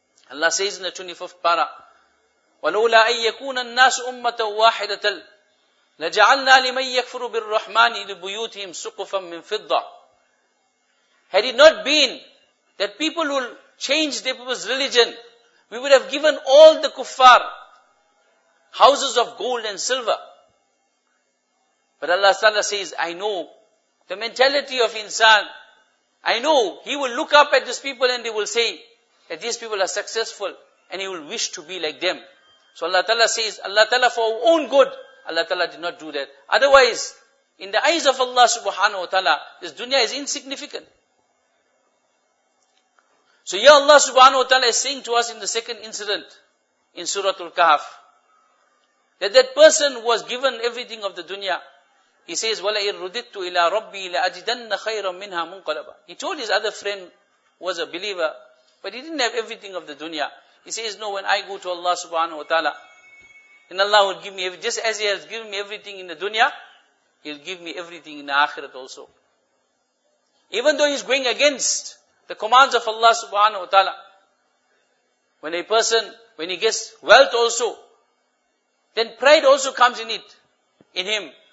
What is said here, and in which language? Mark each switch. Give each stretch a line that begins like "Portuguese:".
English: Allah says in the 25th para,
Arabic: وَلَوْلَا أَن يَكُونَ النَّاسُ أُمَّةً وَاحِدَةً لَجَعَلْنَا لِمَن يَكْفُرُ بِالرَّحْمَنِ لِبُيُوتِهِمْ سُقُفًا مِّن فِضَّةٍ.
English: Had it not been that people will change their people's religion, we would have given all the kuffar houses of gold and silver. But Allah Ta'ala says, I know the mentality of insan. I know he will look up at these people and he will say that these people are successful and he will wish to be like them. So Allah Ta'ala says, Allah Ta'ala for our own good, Allah Ta'ala did not do that. Otherwise, in the eyes of Allah subhanahu wa ta'ala, this dunya is insignificant. So here Allah subhanahu wa ta'ala is saying to us in the second incident in Suratul Kahf, that that person was given everything of the dunya. He says,
Arabic: وَلَئِن رُدِدْتُ إِلَىٰ رَبِّي لَأَجِدَنَّ خَيْرًا مِنْهَا مُنْقَلَبًا.
English: He told his other friend, who was a believer, but he didn't have everything of the dunya. He says, no, when I go to Allah subhanahu wa ta'ala, then Allah will give me, just as He has given me everything in the dunya, He'll give me everything in the akhirat also. Even though he's going against the commands of Allah subhanahu wa ta'ala, when a person, when he gets wealth also, then pride also comes in it, in him.